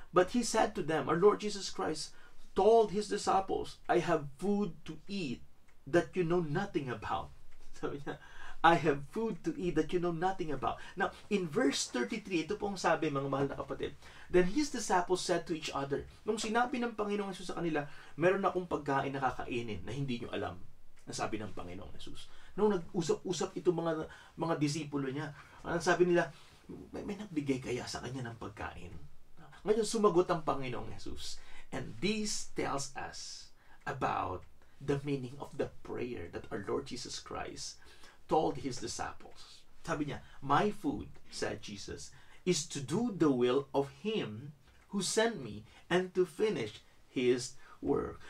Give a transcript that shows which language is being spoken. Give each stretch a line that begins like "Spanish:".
English: But He said to them, our Lord Jesus Christ told His disciples, I have food to eat that you know nothing about.
Filipino: Sabi niya,
English: I have food to eat that you know nothing about. Now, in verse 33,
Filipino: ito pong sabi, mga mahal na kapatid,
English: then His disciples said to each other,
Filipino: nung sinabi ng Panginoong Jesus sa kanila, meron akong pagkain na kakainin na hindi nyo alam, ang sabi ng Panginoong Jesus. Nung nag-usap-usap ito mga disipulo niya, ang sabi nila, may nagbigay kaya sa kanya ng pagkain? Ngayon, sumagot ang Panginoong Jesus.
English: And this tells us about the meaning of the prayer that our Lord Jesus Christ told His disciples. Sabi niya, my food, said Jesus, is to do the will of Him who sent me and to finish His work.